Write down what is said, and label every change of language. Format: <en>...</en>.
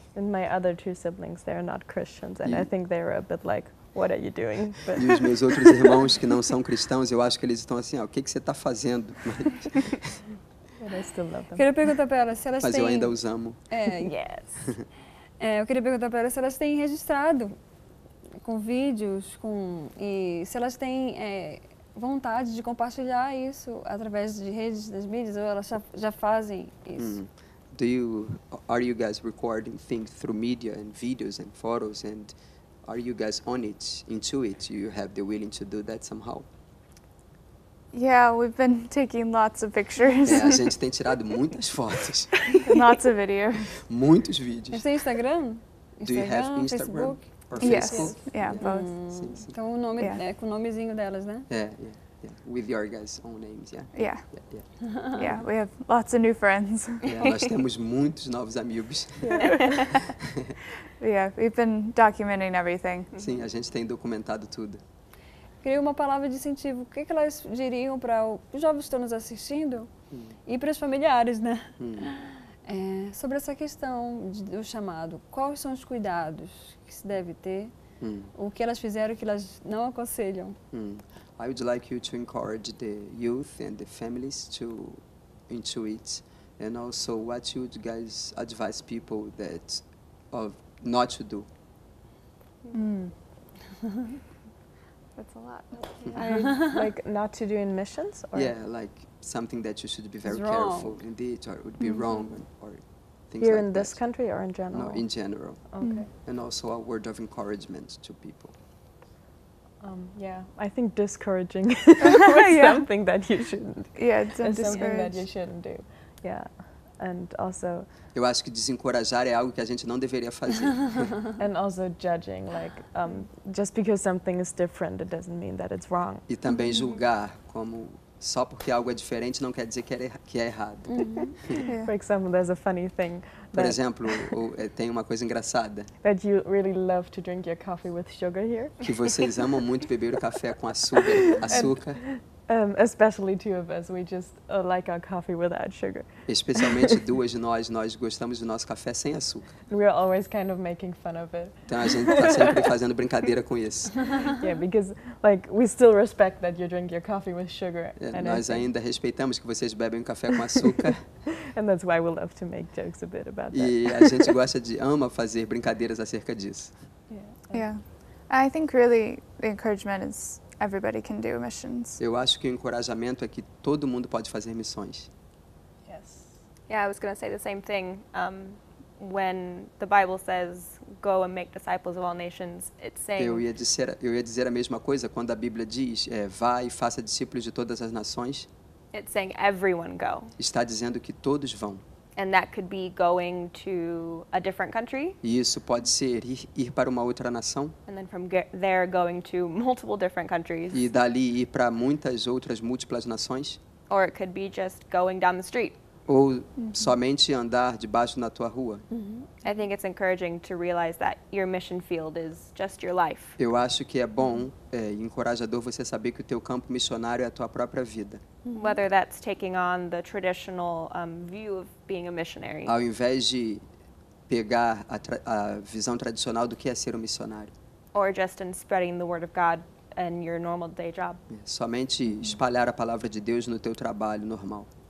<en>And my other two siblings, they're not Christians, and I think they're a bit like, what are you doing?</en> <pt>E os meus outros irmãos que não são cristãos, eu acho que eles estão assim, ah, o que que você está fazendo? Queria perguntar para elas se elas Mas eu ainda os amo. Eu queria perguntar para elas se elas têm registrado com vídeos, com e se elas têm vontade de compartilhar isso através de redes, das mídias, ou elas já fazem isso.</pt> <en>Are you guys recording things through media and videos and photos, and are you guys on it, into it? You have the willing to do that somehow? Yeah, we've been taking lots of pictures.</en> <pt>É, a gente tem tirado muitas fotos.</pt> <en>Lots of videos.</en> <pt>Muitos vídeos. Você tem Instagram?</pt> <en>Do you have Instagram? Facebook? Or Facebook? Yes, yeah, both.</en> <pt>Então o nome é com o nomezinho delas, né?</pt> <en>Yeah, with your guys' own names, Yeah, we have lots of new friends.</en> <pt>Yeah, nós temos muitos novos amigos.</pt> <en>Yeah, we've been documenting everything.</en> <pt>Sim, a gente tem documentado tudo. Queria uma palavra de incentivo. O que que elas diriam para os jovens que estão nos assistindo e para os familiares, né? Sobre essa questão do chamado, quais são os cuidados que se deve ter? O que elas fizeram que elas não aconselham?</pt> <en>I would like you to encourage the youth and the families to intuit, and also what you would guys advise people that of not to do. That's a lot. Like not to do in missions? Or? Yeah, like something that you should be very careful indeed, or it would be wrong, or things here like in that. This country or in general? No, in general. Okay. And also a word of encouragement to people. I think discouraging is something that you shouldn't. Yeah, it's something that you shouldn't do. Yeah, and also.</en> <pt>Eu acho que desencorajar é algo que a gente não deveria fazer.</pt> <en>And also judging, like, just because something is different, it doesn't mean that it's wrong.</en> <pt>E também julgar como só porque algo é diferente não quer dizer que é errado.</pt> <en>Yeah. For example, there's a funny thing.</en> <pt>Por exemplo, tem uma coisa engraçada.</pt> <en>That you really love to drink your coffee with sugar here.</en> <pt>Que vocês amam muito beber o café com açúcar.</pt> <en>Especially two of us, we just like our coffee without sugar.</en> <pt>Especialmente duas de nós, nós gostamos do nosso café sem açúcar.</pt> <en>We are always kind of making fun of it.</en> <pt>Então a gente está sempre fazendo brincadeira com isso.</pt> <en>Yeah, because like we still respect that you drink your coffee with sugar.</en> <pt>Nós ainda respeitamos que vocês bebem café com açúcar.</pt> <en>And that's why we love to make jokes a bit about that.</en> <pt>E a gente gosta de ama fazer brincadeiras acerca disso.</pt> <en>Yeah, I think really the encouragement is. Everybody can do missions.</en> <pt>Eu acho que o encorajamento é que todo mundo pode fazer missões.</pt> <en>Yes. Yeah, I was going to say the same thing. When the Bible says go and make disciples of all nations, it's saying</en> <pt>Eu ia dizer a mesma coisa quando a Bíblia diz, vá e faça discípulos de todas as nações.</pt> <en>It's saying everyone go.</en> <pt>Está dizendo que todos vão.</pt> <en>And that could be going to a different country.</en> <pt>E isso pode ser ir para uma outra nação.</pt> <en>And then from there going to multiple different countries.</en> <pt>E dali ir para muitas outras múltiplas nações.</pt> <en>Or it could be just going down the street.</en> <pt>Ou somente andar debaixo na tua rua.</pt> <en>I think it's encouraging to realize that your mission field is just your life.</en> <pt>Eu acho que é bom e encorajador você saber que o teu campo missionário é a tua própria vida.</pt> <en>Whether that's taking on the traditional view of being a missionary.</en> <pt>Ao invés de pegar a visão tradicional do que é ser um missionário.</pt> <en>Or just in spreading the word of God in your normal day job.</en> <pt>Somente espalhar a palavra de Deus no teu trabalho normal.</pt>